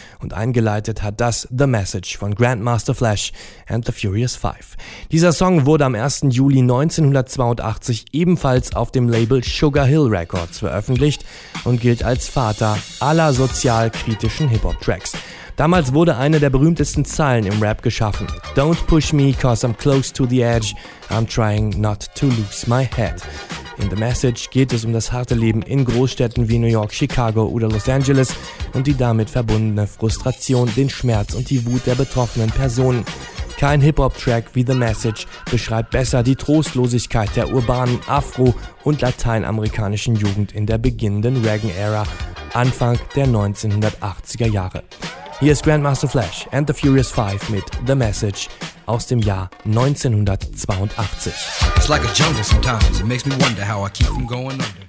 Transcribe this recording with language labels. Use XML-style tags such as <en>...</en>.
<de>Und eingeleitet hat das The Message von Grandmaster Flash and the Furious Five. Dieser Song wurde am 1. Juli 1982 ebenfalls auf dem Label Sugar Hill Records veröffentlicht und gilt als Vater aller sozialkritischen Hip-Hop-Tracks. Damals wurde eine der berühmtesten Zeilen im Rap geschaffen.</de> <en>Don't push me, cause I'm close to the edge. I'm trying not to lose my head.</en> <de>In The Message geht es um das harte Leben in Großstädten wie New York, Chicago oder Los Angeles und die damit verbundene Frustration, den Schmerz und die Wut der betroffenen Personen. Kein Hip-Hop-Track wie The Message beschreibt besser die Trostlosigkeit der urbanen Afro- und lateinamerikanischen Jugend in der beginnenden Reagan-Ära, Anfang der 1980er Jahre. Hier ist Grandmaster Flash and the Furious Five mit The Message aus dem Jahr 1982.</de> <en>It's like a jungle sometimes, it makes me wonder how I keep from going under.</en>